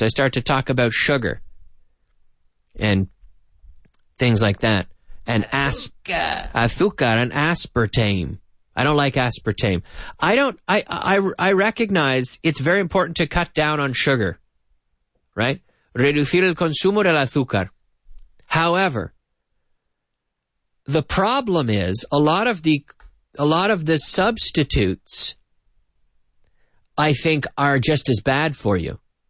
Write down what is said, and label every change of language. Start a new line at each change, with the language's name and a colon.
English: I start to talk about sugar. And things like that. And azúcar and aspartame. I don't like aspartame. I don't... I recognize it's very important to cut down on sugar. Right?
Spanish: Reducir el consumo del azúcar.
English: However, the problem is a lot of the substitutes, I think, are just as bad for you.